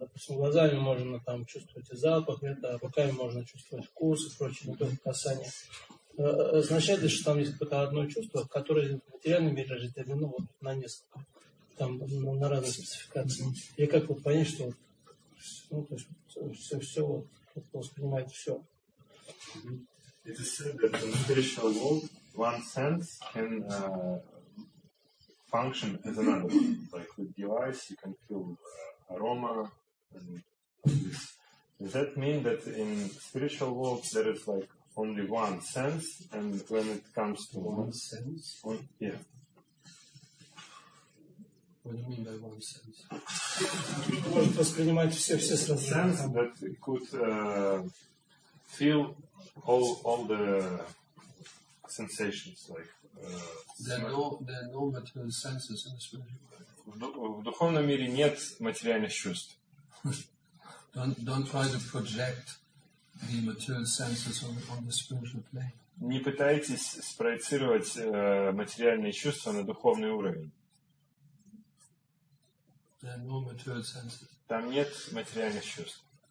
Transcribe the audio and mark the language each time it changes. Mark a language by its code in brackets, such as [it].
[ru] Допустим, глазами можно там чувствовать и запах, это, а руками можно чувствовать вкус и прочее, не только касание. Означает ли, что там есть какое-то одно чувство, которое в материальном мире разделено вот на несколько? Там, ну, на разные спецификации. Mm-hmm. И как вот понять, что вот, ну, то есть, все вот, воспринимает все. Mm-hmm. [en] It is said that in the spiritual world, one sense can function as another. Like with device, you can feel aroma. And this. Does that mean that in spiritual world there is like only one sense, and when it comes to one sense? One, yeah. What do you mean by one sense? [ru] Может воспринимать все сразу. [en] Sense that could feel all the sensations like. There are no material senses in this world. [ru] В духовном мире нет материальных чувств. [en] Don't try to project the material senses on the spiritual plane. [ru] Не пытайтесь спроецировать материальные чувства на духовный уровень. [en] There are no material senses. [ru] Там нет материальных чувств.